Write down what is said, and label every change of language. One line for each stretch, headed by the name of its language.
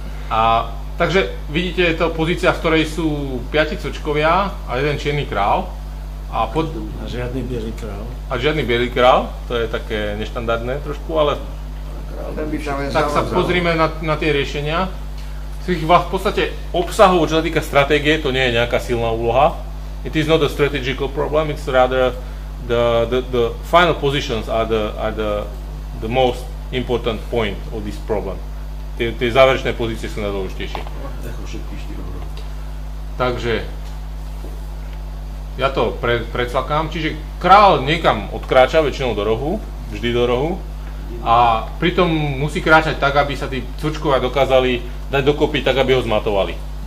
Slovak: A takže vidíte, je to pozícia, v ktorej sú piati cočkovia a jeden čierny král. A žiadny bielý král. A žiadny bielý král, to je také neštandardné trošku, ale tak sa pozrime na tie riešenia. V podstate obsahov, čo sa týka stratégie, to nie je nejaká silná úloha.
English: It is not a strategical problem, it's rather the final positions are the most important point of this problem.
Slovak: Tie záverečné pozície sú najdôležitejšie. Takže ja to predsvakám, čiže král niekam odkráča, väčšinou do rohu, vždy do rohu, a pritom musí kráčať tak, aby sa tí cvrčkovia dokázali dať dokopy tak, aby ho zmatovali.